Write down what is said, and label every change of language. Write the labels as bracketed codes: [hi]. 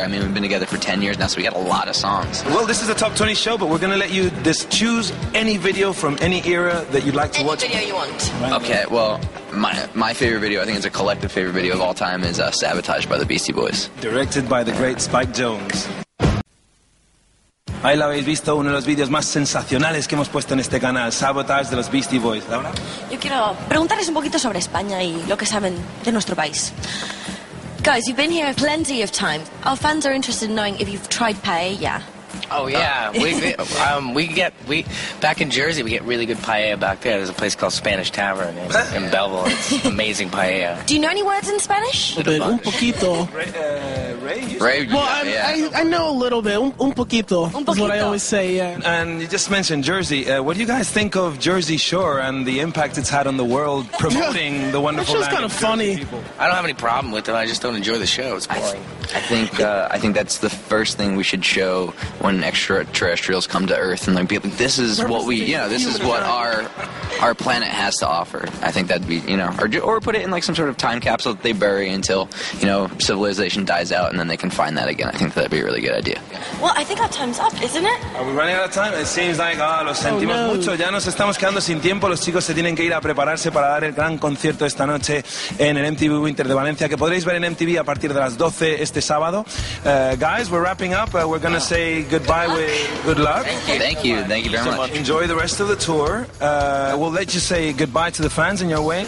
[en] I mean, we've been together for 10 years now, so we got a lot of songs. Well, this is a Top 20 show, but we're going to let you just choose any video from any era that you'd like to any watch. Any video you want. Okay, well, my favorite video, I think it's a collective favorite video of all time, is Sabotage by the Beastie Boys. Directed by the great Spike Jonze. [es] Ahí lo habéis visto, uno de los vídeos más sensacionales que hemos puesto en este canal, Sabotage de los Beastie Boys. ¿Laura? Yo quiero preguntarles un poquito sobre España y lo que saben de nuestro país. [en] Guys, you've been here plenty of time. Our fans are interested in knowing if you've tried paella. Oh, yeah. We back in Jersey, we get really good paella back there. There's a place called Spanish Tavern in Belleville. It's amazing paella. Do you know any words in Spanish? [es] Un poquito. [en] Ray? I know a little bit. [es] Un poquito [en] is what I always say, yeah. And you just mentioned Jersey. What do you guys think of Jersey Shore and the impact it's had on the world promoting the wonderful land? It's just kind of funny. I don't have any problem with it. I just don't enjoy the show. It's boring. I think that's the first thing we should show when extraterrestrials come to Earth and be like, this is what we, you know, this is what our planet has to offer. I think that'd be, you know, or put it in like some sort of time capsule that they bury until, you know, civilization dies out and then they can find that again. I think that'd be a really good idea. Well, I think our time's up, isn't it? Are we running out of time? It seems like, [es] lo sentimos mucho. Ya nos estamos quedando sin tiempo. Los chicos se tienen que ir a prepararse para dar el gran concierto esta noche en el MTV Winter de Valencia, que podréis ver en MTV a partir de las 12 este sábado. [en] Guys, we're wrapping up. We're going to say goodbye with good luck. Thank you very much. Enjoy the rest of the tour. We'll let you say goodbye to the fans in your way.